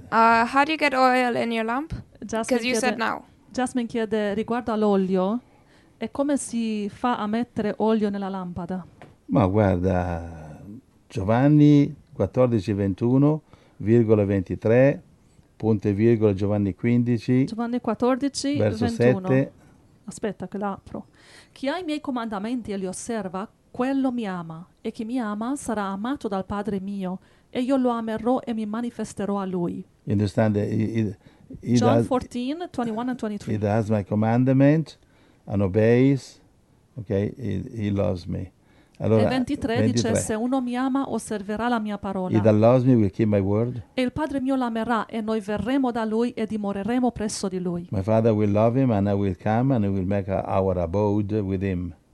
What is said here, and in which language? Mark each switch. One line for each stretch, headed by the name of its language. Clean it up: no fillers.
English: How do you get oil in your lamp? Because you said now.
Italian: Jasmine chiede, riguardo all'olio, e come si fa a mettere olio nella lampada? Ma guarda, Giovanni 14:21,23, punto e virgola, Giovanni 14, verso 7. Aspetta che l'apro. Chi ha i miei comandamenti e li osserva, quello mi ama. E chi mi ama sarà amato dal Padre mio. E io lo amerò e mi manifesterò a lui.
English: Understand? John 14:21-23. He does my commandment and obeys. Ok? He loves me.
Italian: Allora, e 23 dice, se uno mi ama osserverà la mia parola.
English: He that loves me will keep my word.
Italian: E il Padre mio l'amerà e noi verremo da lui e dimoreremo presso di lui.
English: My Father will love him and I will come and will make our abode with him.